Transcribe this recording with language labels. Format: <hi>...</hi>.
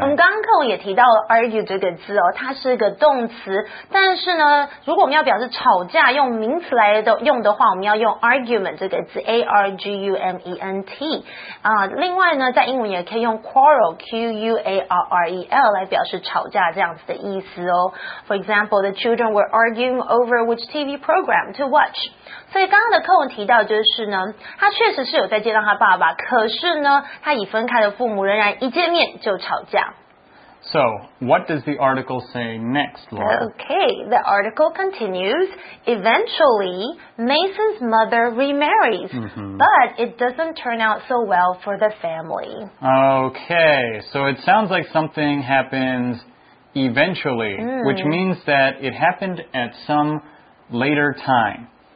<zh>我们刚刚也提到 argue 这个字哦，它是一个动词，但是呢，如果我们要表示吵架，用名词来用的话，我们要用 argument 这个字 ,argument. 另外呢，在英文也可以用 quarrel, Q-U-A-R-R-E-L 来表示吵架这样子的意思哦。</zh> <en>For example, the children were arguing over which TV program to watch.</en> <zh>所以刚刚的课文提到就是呢，他确实是有在见到他爸爸，可是呢，他已分开的父母仍然一见面就吵架。</zh> <en>So, what does the article say next, Laura? Okay, the article continues. Eventually, Mason's mother remarries, but it doesn't turn out so well for the family. Okay, so it sounds like something happens eventually, which means that it happened at some later time.</en>